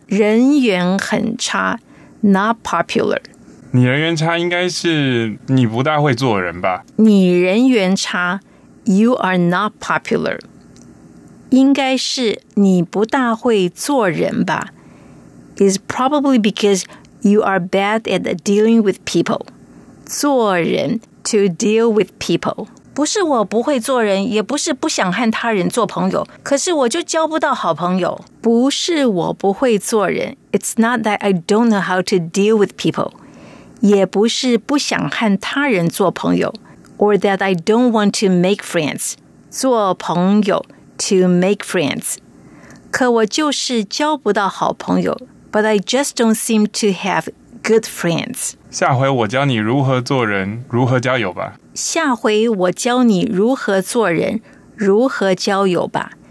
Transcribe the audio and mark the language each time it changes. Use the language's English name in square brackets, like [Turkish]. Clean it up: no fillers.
[Chinese] 人缘很差, [English] not popular. [Chinese] 你人缘差应该是你不大会做人吧? 你人缘差, [English] you are not popular. [Chinese] 应该是你不大会做人吧? [English] Is probably because you are bad at dealing with people. 做人To deal with people. [Chinese] 不是我不会做人，也不是不想和他人做朋友，可是我就交不到好朋友。不是我不会做人。 [English] It's not that I don't know how to deal with people. [Chinese] 也不是不想和他人做朋友。 [English] Or that I don't want to make friends. 做朋友 to make friends. [Chinese] 可我就是交不到好朋友。 [English] But I just don't seem to have good friends. [Chinese] 下回我教你如何做人，如何交友吧。下回我教你如何做人，如何交友吧。